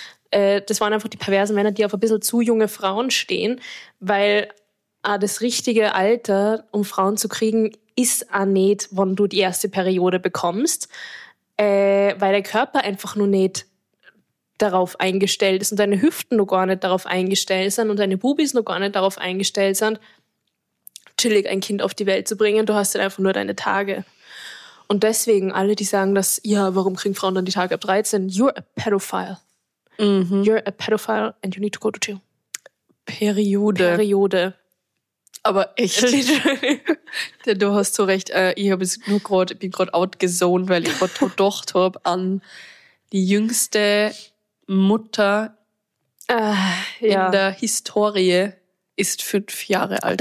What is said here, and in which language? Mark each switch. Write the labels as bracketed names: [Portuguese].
[German] Das waren einfach die perversen Männer, die auf ein bisschen zu junge Frauen stehen, weil das richtige Alter, um Frauen zu kriegen, ist auch nicht, wenn du die erste Periode bekommst, weil der Körper einfach nur nicht darauf eingestellt ist und deine Hüften noch gar nicht darauf eingestellt sind und deine Bubis noch gar nicht darauf eingestellt sind, chillig ein Kind auf die Welt zu bringen. Du hast dann einfach nur deine Tage. Und deswegen alle, die sagen, dass ja, warum kriegen Frauen dann die Tage ab 13? [English] You're a pedophile. Mhm. You're a pedophile and you need to go to jail. [German] Periode. Aber echt, du hast so recht, bin gerade outgezoned, weil ich gerade gedacht habe an die jüngste Mutter in der Historie, ist 5 Jahre alt.